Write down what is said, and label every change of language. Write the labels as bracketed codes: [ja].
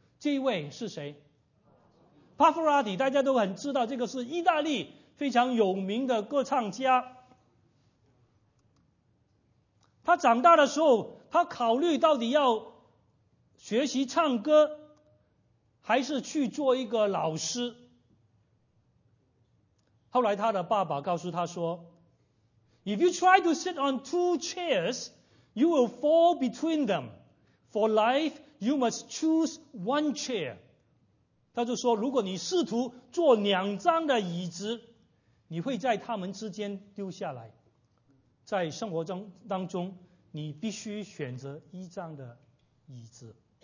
[zh] 这一位是谁？帕夫拉蒂，大家都很知道，这个是意大利非常有名的歌唱家。他长大的时候，他考虑到底要学习唱歌，还是去做一个老师。后来他的爸爸告诉他说， [en] If you try to sit on two chairs, you will fall between them. For life, you must choose one chair. [zh] 他就说，如果你试图坐两张的椅子，你会在他们之间丢下来。在生活当中，你必须选择一张的椅子。